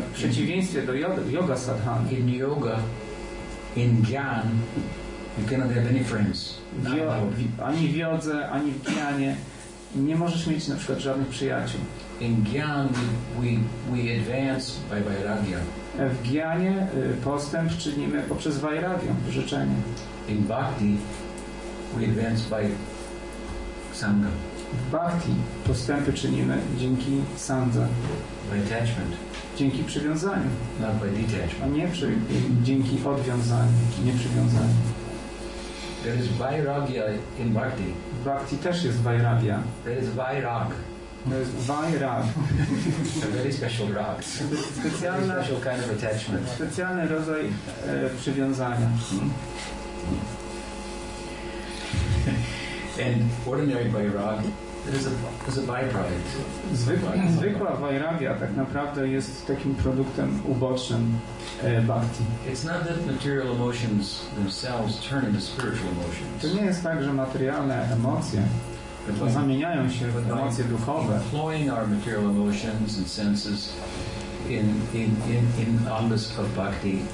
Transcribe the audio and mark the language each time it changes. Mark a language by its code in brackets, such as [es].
[pl] W przeciwieństwie do yoga sadhana. [en] In yoga, in gyan, you cannot have any friends. [pl] Ani w jodze, ani w gyanie nie możesz mieć na przykład żadnych przyjaciół. [en] In gyan, we advance by vairagya. [pl] W gyanie postęp czynimy poprzez vairagyam, życzenie. [en] In bhakti, we advance by sangha. [pl] W bhakti postępy czynimy dzięki sandze. [en] By attachment. [pl] Dzięki przywiązaniu. [en] Not by detachment. [pl] A nie dzięki odwiązaniu, nie przywiązaniu. [en] There is vairagya in bhakti. [pl] W bhakti też jest vairagya. [en] There is vairag. [pl] To jest vairag. [en] A very special rag. [pl] Specjalna, [en] special kind of attachment. [pl] Specjalny rodzaj przywiązania. [en] And ordinary vairag, is a byproduct. [pl] Zwykła vairagya tak naprawdę jest takim produktem ubocznym bhakti. [en] It's not that material emotions themselves turn into spiritual emotions. [pl] To nie jest tak, że materialne emocje zamieniają się w emocje duchowe. [en] Employing our material emotions and senses in angas of bhakti.